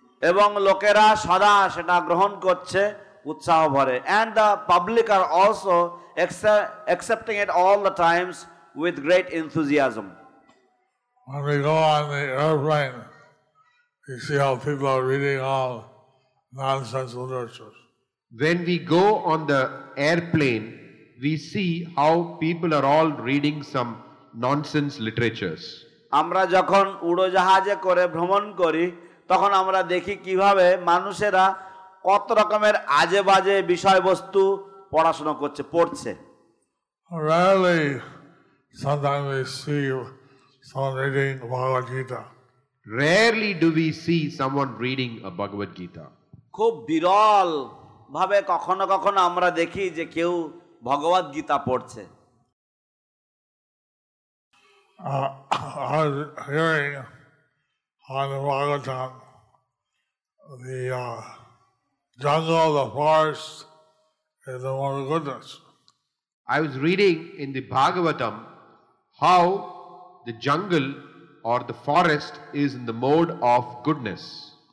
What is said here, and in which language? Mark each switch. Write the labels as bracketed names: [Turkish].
[Bangla] এবং লোকেরা সদা সেটা গ্রহণ করছে উৎসাহ ভরে. [English] And the public are also accepting it all the times with great enthusiasm. When we go on the airplane, you see how people are reading all nonsense literature. When we go on the airplane, we see how people are all reading some nonsense literatures. [Bangla] আমরা যখন উড়োজাহাজে করে ভ্রমণ করি তখন আমরা দেখি কিভাবে মানুষেরা কত রকমের আজে বাজে বিষয়বস্তু পড়াশোনা করছে পড়ছে. [English] Rarely, sometimes we see someone reading Bhagavad Gita. Rarely do we see someone reading a Bhagavad Gita. [Bangla] খুব বিরল ভাবে কখনো কখনো আমরা দেখি যে কেউ ভগবদ গীতা পড়ছে. [English] I was hearing on the Bhagavatam, the jungle, the forest is the one of goodness. I was reading in the Bhagavatam how the jungle or the forest is in the mode of goodness.